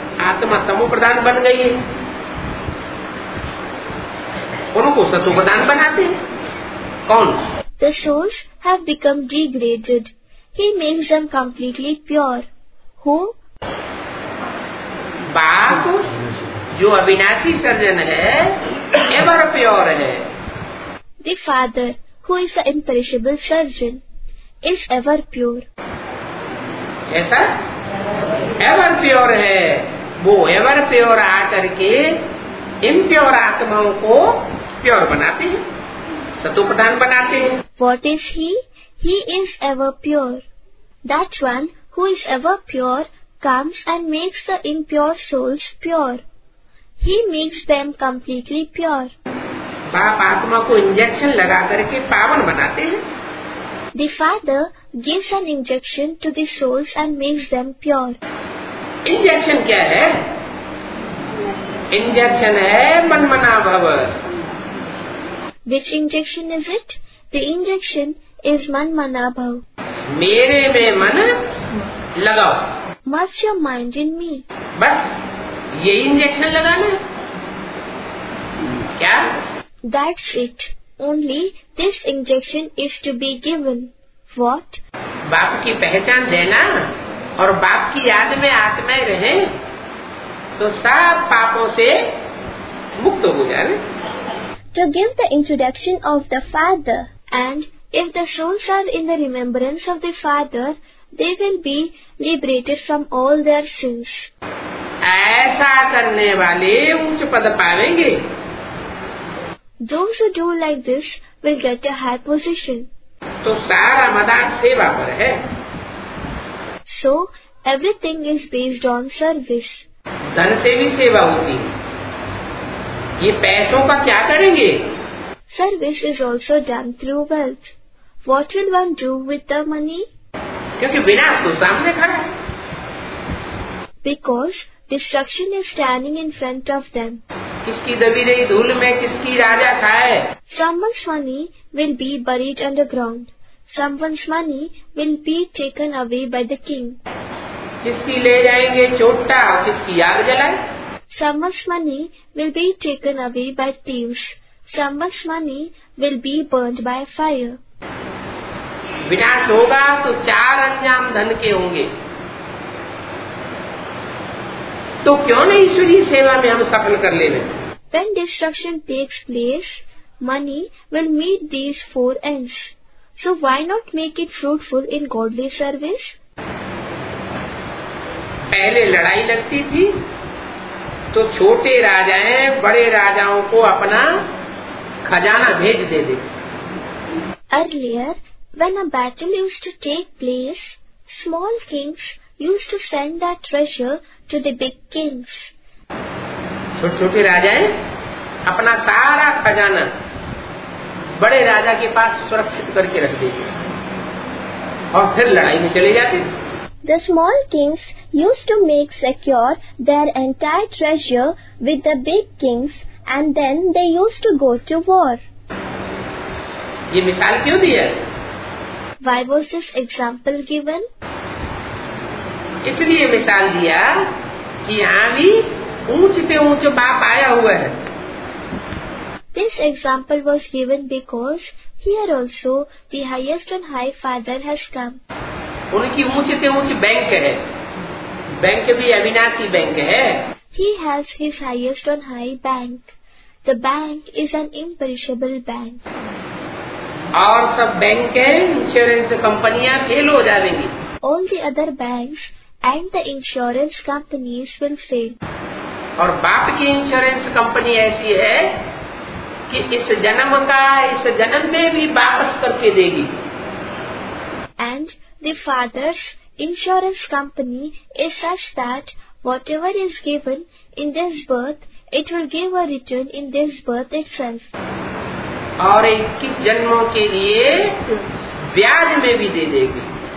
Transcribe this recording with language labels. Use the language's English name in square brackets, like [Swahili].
[Hindi] आत्मा तमो प्रधान बन गई है, उनको सत्व प्रधान बनाते हैं. कौन? [English] The souls have become degraded. He makes them completely pure. Who? [Hindi] बाप जो अविनाशी सर्जन है, [English] ever pure [Hindi] है. [English] The father, who is the imperishable surgeon, is ever pure. [Hindi] ऐसा? [English] Ever pure [Hindi] है. वो [English] ever pure [Hindi] आकर के impure आत्माओं को pure बनाते हैं, सत्व प्रधान बनाते हैं. [English] What is he? He is ever pure. That one who is ever pure comes and makes the impure souls pure. He makes them completely pure. [Hindi] बाप आत्मा को इंजेक्शन लगा करके पावन बनाते हैं. [English] The father gives an injection to the souls and makes them pure. [Hindi] Injection क्या है? इंजेक्शन है मनमना भव. [English] Which injection is it? The injection is manmana bhav. [Hindi] मेरे में मन लगाओ. [English] Must your mind in me. [Hindi] बस ये इंजेक्शन लगाना है क्या? [English] That's it. Only this injection is to be given. What? [Hindi] बाप की पहचान लेना और बाप की याद में आत्माएं रहे तो सब पापों से मुक्त हो जाए. [English] To give the introduction of the father, and if the souls are in the remembrance of the father, they will be liberated from all their sins. [Hindi] ऐसा करने वाले उच्च पद पाएंगे। [English] Those who do like this will get a high position. [Hindi] तो सारा मदार सेवा पर है। [English] So everything is based on service. [Hindi] धन से भी सेवा होती है। ये पैसों का क्या करेंगे? [English] Service is also done through wealth. What will one do with the money? [Hindi] क्योंकि विनाश तो सामने खड़ा है। [English] Because destruction is standing in front of them. [Hindi] किसकी दबी रही धूल में किसकी राजा खाए? [English] Someone's money will be buried underground. Someone's money will be taken away by the king. [Hindi] किसकी ले जाएंगे चोट्टा और किसकी आग जलाए? [English] Someone's money will be taken away by thieves. Someone's money will be burned by fire. [Hindi] विनाश होगा तो चार अंजाम धन के होंगे। तो क्यों नहीं ईश्वरीय सेवा में हम सफल कर ले लें? [English] When destruction takes place, money will meet these four ends. So why not make it fruitful in godly service? [Hindi] पहले लड़ाई लगती थी तो छोटे राजाएं बड़े राजाओं को अपना खजाना भेज दे दे। [English] Earlier, when a battle used to take place, small kings used to send that treasure to the big kings. [Hindi] छोटे राजाएं अपना सारा खजाना बड़े राजा के पास सुरक्षित करके रख देते और फिर लड़ाई में चले जाते। [English] The small kings used to make secure their entire treasure with the big kings and then they used to go to war. [Hindi] ये मिसाल क्यों दी है? [English] Why was this example given? [Hindi] इसलिए मिसाल दिया कि यहाँ भी ऊंचे से ऊंचे बाप आया हुआ है। [English] This example was given because here also the highest and high father has come. [Hindi] उनकी ऊंचे से ऊंचे बैंक है, बैंक भी अविनाशी बैंक है। [English] He has his highest and high bank. The bank is an imperishable bank. [Hindi] और सब बैंक इंश्योरेंस कंपनियां फेल हो जाएंगी। [English] All the other banks and the insurance companies will fail. [Hindi] और बाप की इंश्योरेंस कंपनी ऐसी है कि इस जन्म का इस जन्म में भी वापस करके देगी। [English] And the father's insurance company is such that whatever is given in this birth, it will give a return in this birth itself. [Hindi] और 21 जन्मों के लिए ब्याज में भी दे देगी।